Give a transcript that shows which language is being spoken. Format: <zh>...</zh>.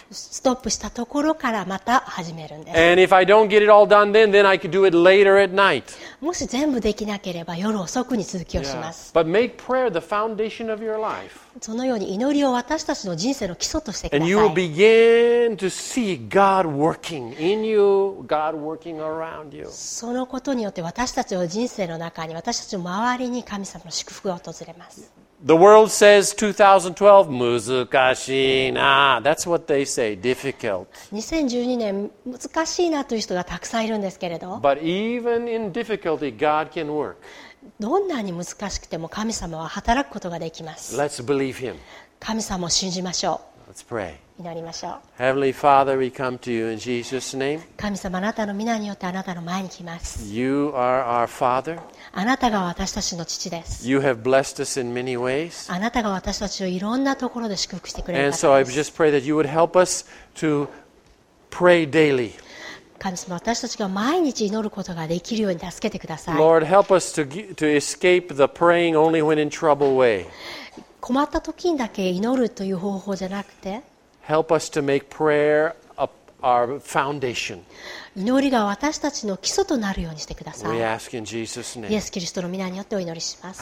<ja>ストップしたところからまた始めるんです。</ja> <en>And if I don't get it all done then I could do it later at night.</en> <ja>もし全部できなければ夜遅くに続きをします。</ja> <en>Yeah. But make prayer the foundation of your life.</en> <ja>そのように祈りを私たちの人生の基礎としてください。</ja> <en>And you will begin to see God working in you, God working around you.</en> <ja>そのことによって私たちの人生の中に私たちの周りに神様の祝福が訪れます。</ja> <en>The world says 2012,</en> <ja>難しいな。</ja> <en>That's what they say, difficult.</en> <ja>2012年、難しいなという人がたくさんいるんですけれど。</ja> <en>But even in difficulty, God can work.</en> <ja>どんなに難しくても神様は働くことができます。</ja> <en>Let's believe him.</en> <ja>神様を信じましょう。</ja> <en>Let's pray.</en> <ja>祈りましょう。</ja> <en>Heavenly Father, we come to you in Jesus' name.</en> <ja>神様、あなたの御名によってあなたの前に来ます。</ja> <en>You are our Father.</en> <ja>あなたが私たちの父です。</ja> <en>You have blessed us in many ways.</en> <ja>あなたが私たちをいろんなところで祝福してくれた。</ja> <en>And so I just pray that you would help us to pray daily.</en> <ja>神様、私たちが毎日祈ることができるように助けてください。</ja> <en>Lord, help us to escape the praying only when in trouble way.</en> <ja>困った時にだけ祈るという方法じゃなくて、</ja> <en>help us to make prayer our foundation.</en> <ja>祈りが私たちの基礎となるようにしてください。</ja> <en>We ask in Jesus' name.</en> <ja>イエス・キリストの御名によってお祈りします。</ja>